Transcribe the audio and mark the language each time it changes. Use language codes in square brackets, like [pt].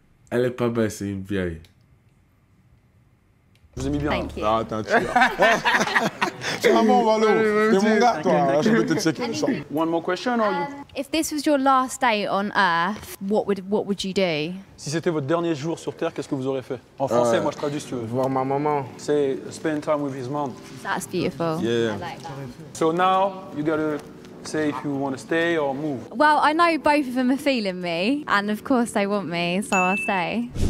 [fr] Elle est pas belle, c'est une vieille. Je vous ai mis bien. Ah, t'es un tueur. [en] One more question, or if this was your last day on Earth, what would you do? [fr] Si c'était votre dernier jour sur Terre, qu'est-ce que vous auriez fait? En français, moi je traduis si tu veux. Voir ma maman. [en] Say spend time with his mom. That's beautiful. Yeah. I like that. So now you gotta say if you want to stay or move. Well, I know both of them are feeling me, and of course they want me, so I'll stay.